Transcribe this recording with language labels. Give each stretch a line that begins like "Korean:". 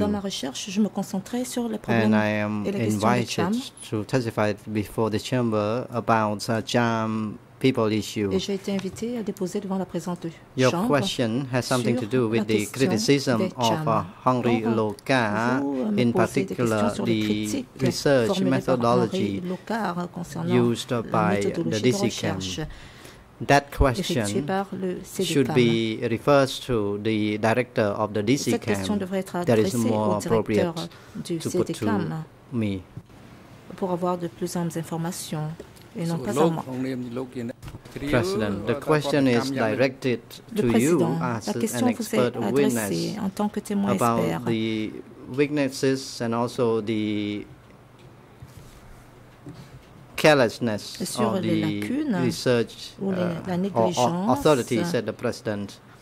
French: Dans ma recherche, je me concentrais sur le problème et la question de JAM.
English: And I am invited to testify before the chamber about JAM people issue.
French: Et j'ai été invité à déposer devant la présente chambre.
English: Your question has something to do with the criticism of Henri Lecart, in particular the research methodology used by the DCCAM. That question should be referred to the director of the DCCAM. That is more appropriate to put to me.
French: Pour avoir de plus amples informations et non pas à moi.
English: President, the question is directed to you as an expert witness
French: en tant que témoin expert
English: about the weaknesses and also the carelessness of the research authorities, said the president.